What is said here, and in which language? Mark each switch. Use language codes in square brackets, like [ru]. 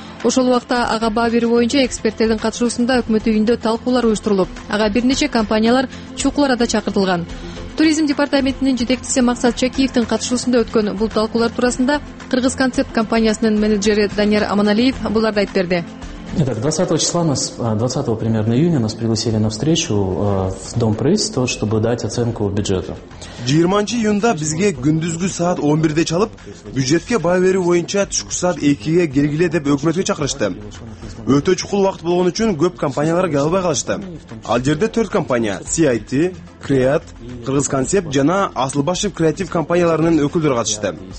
[ky] Ошол убакта ага баа берүү боюнча эксперттердин катышуусунда өкмөт үйүндө талкуулар уюштурулуп, ага бир нече компаниялар чукуларга да чакыртылган. Туризм департаментинин жетекчиси Максат Чакиевдин катышуусунда өткөн бул талкуулар туурасында Кыргыз Концепт компаниясынын менеджери Данияр Аманалиев буларды айтып берди. [ru] Итак, 20 числа нас, 20 примерно июня нас пригласили на встречу в Дом правительства, чтобы дать оценку бюджету. [ky] 20 июнда бизге күндүзгү саат 11:00 чалып, бюджетке баа берүү боюнча түшкү саат 2:00 келгиле деп өкмөткө чакырышты. Өтө чукул убакыт болгон үчүн көп компаниялар келбей калышты. Ал жерде 4 компания: CIT, Креат, Кыргыз Концепт жана Асылбашев креатив компанияларынын өкүлдөрү катышты.